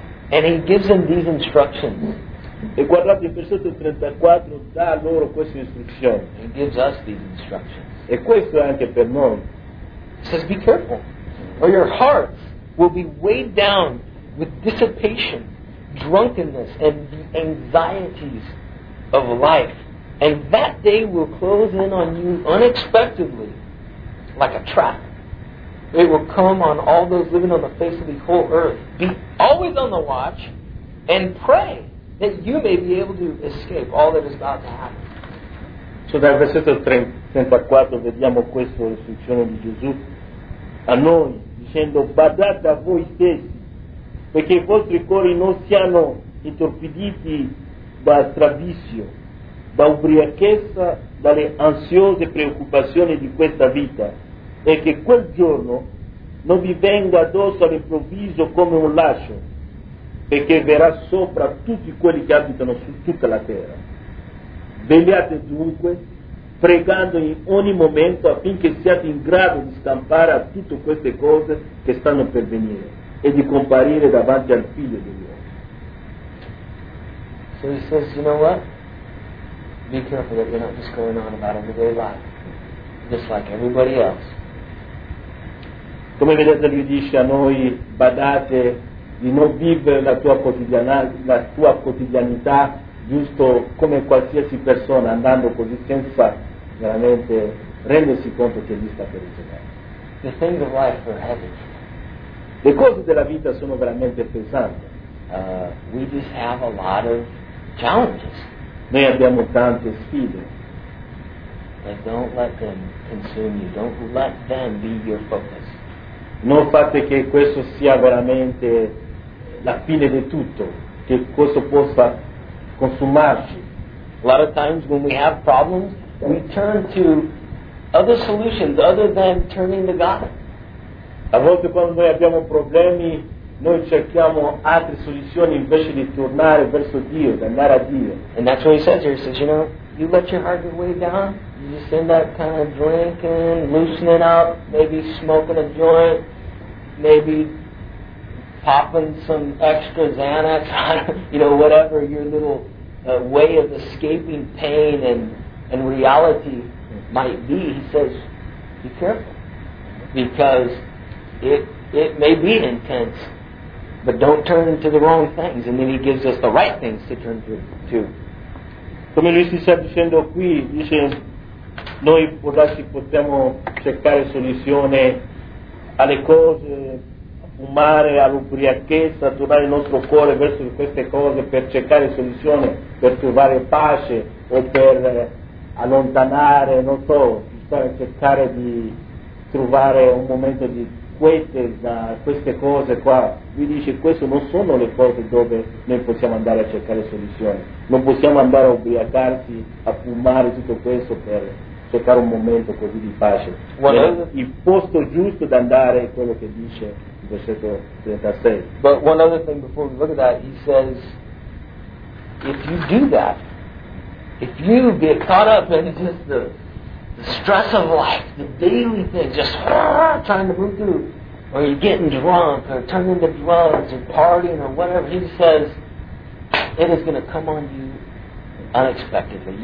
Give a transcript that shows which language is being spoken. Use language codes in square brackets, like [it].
[en] And he gives them these instructions. [it] E guardate, il versetto 34 dà loro queste istruzioni. [en] He gives us these instructions. [it] E questo è anche per noi. [en] He says, be careful, or your hearts will be weighed down with dissipation, drunkenness, and the anxieties of life. And that day will close in on you unexpectedly, like a trap. It will come on all those living on the face of the whole earth. Be always on the watch and pray that you may be able to escape all that is about to happen. [it] So dal versetto 34 vediamo questa istruzione di Gesù a noi, dicendo, badate a voi stessi, perché i vostri cuori non siano intorpiditi da stravizio, da ubriachezza, dalle ansiose preoccupazioni di questa vita, e che quel giorno non vi venga addosso all'improvviso come un lascio, e che verrà sopra tutti quelli che abitano su tutta la terra. Vegliate dunque, pregando in ogni momento affinché siate in grado di scampare a tutte queste cose che stanno per venire e di comparire davanti al Figlio dell'uomo. [en] So he says, you know what? be careful that you're not just going on about everyday life, just like everybody else. [it] Come vedete, lui dice a noi, badate di non vivere la tua quotidianità giusto come qualsiasi persona, andando così senza veramente rendersi conto che lui sta per ricevere. [en] The things of life are heavy. [it] Le cose della vita sono veramente pesanti. [en] We just have a lot of challenges. [it] Noi abbiamo tante sfide. [en] But don't let them consume you. Don't let them be your focus. [it] Non fate che questo sia veramente la fine di tutto, che questo possa consumarci. [en] A lot of times when we have problems, we turn to other solutions other than turning to God. [it] A volte quando noi abbiamo problemi, noi cerchiamo altre soluzioni invece di tornare verso Dio, di andare a Dio. [en] And that's what he says here. He says, you know, you let your heart get weighed down, you just end up kind of drinking, loosening up, maybe smoking a joint, maybe popping some extra Xanax, you know, whatever your little way of escaping pain and reality might be. He says, be careful. Because it may be intense, but don't turn to the wrong things. And then he gives us the right things to turn to. [it] Come lui si sta dicendo qui, dice, noi possiamo cercare soluzione alle cose, a fumare, all'ubriachezza, a tornare il nostro cuore verso queste cose per cercare soluzione, per trovare pace o per allontanare, non so, cercare di trovare un momento di queste cose qua. Lui dice queste non sono le cose dove noi possiamo andare a cercare soluzioni, non possiamo andare a ubriacarsi, a fumare, tutto questo per cercare un momento così di pace. Il posto giusto da andare è quello che dice il versetto 36. [en] But one other thing before we look at that, he says if you do that, if you get caught up in just the stress of life, the daily thing, just trying to move through, or you're getting drunk, or turning to drugs, or partying, or whatever, he says, it is going to come on you unexpectedly.